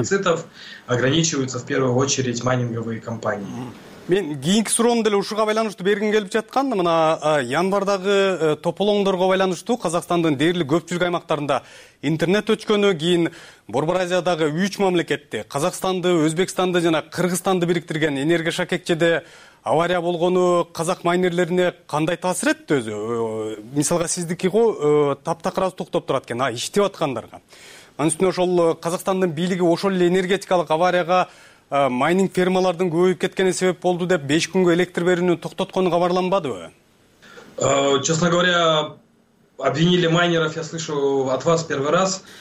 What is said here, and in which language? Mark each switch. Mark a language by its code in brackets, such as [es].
[ru] Дефицитов ограничиваются в первую очередь майнинговые компании. [ky] Мен кийинки суроону деле ушуга байланыштуу бергим келип жаткан. Мына январдагы тополоңдорго байланыштуу Казакстандын дээрлик көпчүлүк аймактарында интернет өчкөнү, кийин Борбор Азиядагы 3 мамлекетте, Казакстанды, Өзбекстанды жана Кыргызстанды бириктирген энергия шакекчеде авария болгону казак майнерлерине кандай таасир этти өзү? Мисалга сиздики го таптакыр аз токтоп турат экен, иштеп аткандарга. Анын үстүнө ошол Казакстандын бийлиги ошол эле энергетикалык аварияга майнинг фермалардын көбөйүп кеткени себеп болду деп 5 күнгө электр берүүнү токтоткону кабарланбадыбы? [ru] Честно говоря, обвинили майнеров, я слышу от вас первый раз.